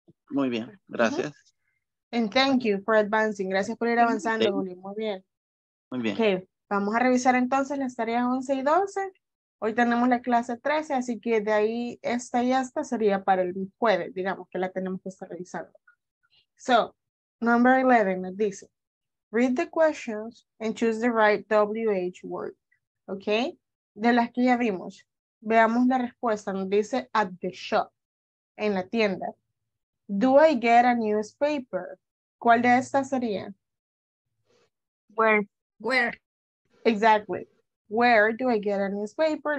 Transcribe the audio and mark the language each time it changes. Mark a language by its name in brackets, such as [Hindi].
[Spanish] Muy bien, gracias. Uh-huh. [English] And thank you for advancing. [Spanish] Gracias por ir avanzando, Julio. Muy bien. Muy bien. Okay, vamos a revisar entonces las tareas 11 y 12. Hoy tenemos la clase 13, así que de ahí esta y esta sería para el jueves, digamos, que la tenemos que estar revisando. [English] So, number 11 [Spanish] nos dice, [English] read the questions and choose the right WH word, okay? [Spanish] De las que ya vimos, veamos la respuesta. Nos dice [English] at the shop, [Spanish] en la tienda. [English] Do I get a newspaper? [Spanish] ¿Cuál de estas sería? [English] Where. Where. Exactly. Where do I get a newspaper?